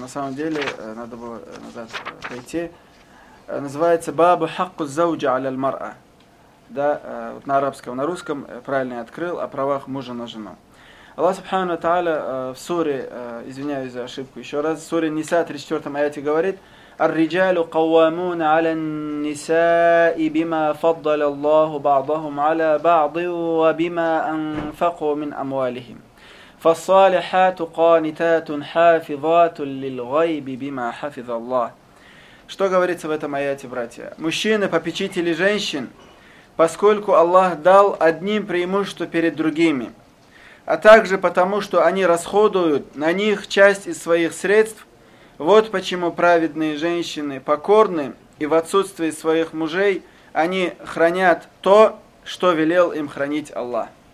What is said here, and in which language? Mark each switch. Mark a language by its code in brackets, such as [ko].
[ru] На самом деле надо было назад пойти. Называется [ar] Бабу хаку зауджа аля аль-мар'а. [ru] Да, вот на арабском, на русском правильно открыл, о правах мужа на жену. Аллах Субхану Та'аля в суре, извиняюсь за ошибку еще раз, в суре Ниса 34 аяте говорит: [ar] الرجال قوامون على النساء بما فضل الله بعضهم على بعض وبما أنفقوا من أموالهم فالصالحات قانتات حافظات للغيب بما حفظ الله. [ru] Что говорится в этом аяте, братья? Мужчины попечители женщин, поскольку Аллах дал одним преимущество перед другими, а также потому, что они расходуют на них часть из своих средств. Вот почему праведные женщины покорны, и в отсутствии своих мужей они хранят то, что велел им хранить Аллах.